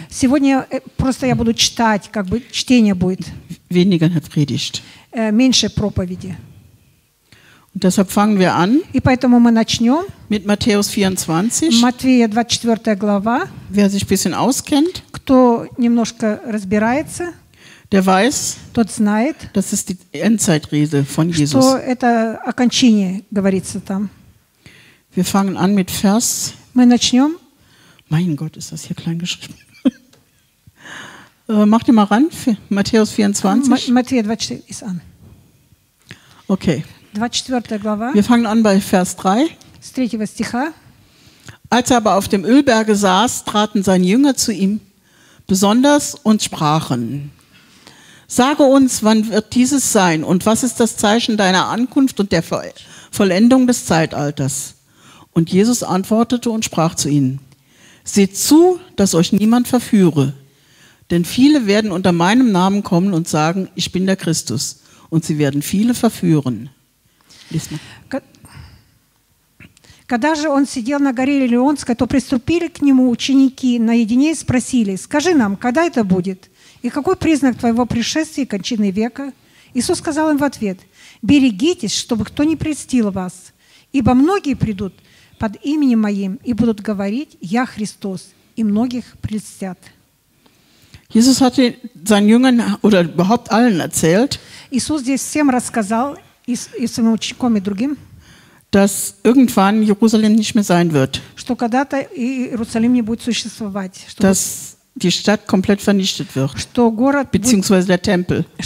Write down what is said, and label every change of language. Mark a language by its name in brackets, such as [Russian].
[Russian] Сегодня просто я буду читать, как бы чтение будет. [German] Weniger eine Predigt. [Russian] Меньше проповеди. [German] Und deshalb fangen wir an. [Russian] И поэтому мы начнем. [German] Mit Matthäus 24. [Russian] Матфея 24 глава. [German] Wer sich ein bisschen auskennt. [Russian] Кто немножко разбирается. [German] Der weiß, [Russian] тот знает, [German] das ist die Endzeitrede von [Russian] что [German] Jesus. [Russian] Это окончание говорится там. [German] Wir fangen an mit Vers. [Russian] Мы начнем. [German] Mein Gott, ist das hier klein geschrieben. mach dir mal ran, Matthäus 24. Matthäus 24 ist an. Okay. [Russian] 24. Глава. [German] Wir fangen an bei Vers 3. [Russian] С третьего стиха. [German] Als er aber auf dem Ölberge saß, traten seine Jünger zu ihm besonders und sprachen: Sage uns, wann wird dieses sein und was ist das Zeichen deiner Ankunft und der Vollendung des Zeitalters? Und Jesus antwortete und sprach zu ihnen: Seht zu, dass euch niemand verführe, denn viele werden unter meinem Namen kommen und sagen, ich bin der Christus, und sie werden viele verführen. Lies mal. [Russian] Когда же он сидел на горе Елеонской, то приступили к нему ученики наедине и спросили: Скажи нам, когда это будет? И какой признак твоего пришествия и кончины века? Иисус сказал им в ответ: Берегитесь, чтобы кто не прельстил вас, ибо многие придут под именем моим и будут говорить: Я Христос, и многих прельстят. [German] Jesus hatte seinen Jüngern oder überhaupt allen erzählt, [Russian] Иисус здесь всем рассказал, и своим учеником, и другим, [German] dass irgendwann Jerusalem nicht mehr sein wird. [Russian] Что когда-то Иерусалим не будет существовать. Что [German] dass die Stadt komplett vernichtet wird, beziehungsweise der Tempel.